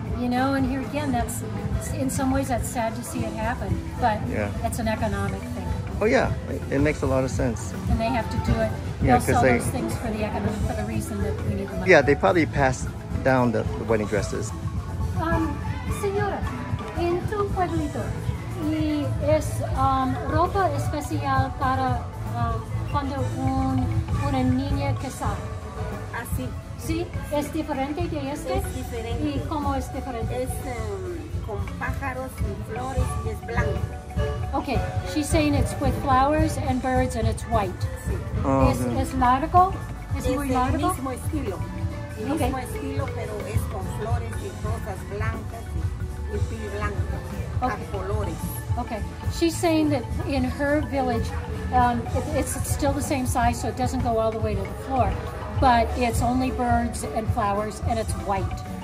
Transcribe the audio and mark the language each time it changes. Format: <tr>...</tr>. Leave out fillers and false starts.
<en>You know, and here again, that's in some ways that's sad to see it happen, but it's an economic thing. Oh yeah, it makes a lot of sense. And they have to do it. Yeah, they'll sell those things for the economic, for the reason that we need the money. Yeah, they probably pass down the wedding dresses.</en> <es>Señora, en tu pueblito, y es ropa especial para cuando una niña que sale. Así. Sí, es diferente de este. Es diferente. ¿Y cómo es diferente? Es con pájaros y flores y es blanco.</es> <en>Okay, she's saying it's with flowers and birds and it's white.</en> <es>Sí. Oh, es largo? Es muy largo? Es el mismo estilo. El mismo estilo, pero es con flores y rosas blancas y blanco, a colores.</es> <en>Okay, she's saying that in her village, it's still the same size, so it doesn't go all the way to the floor, but it's only birds and flowers and it's white.</en>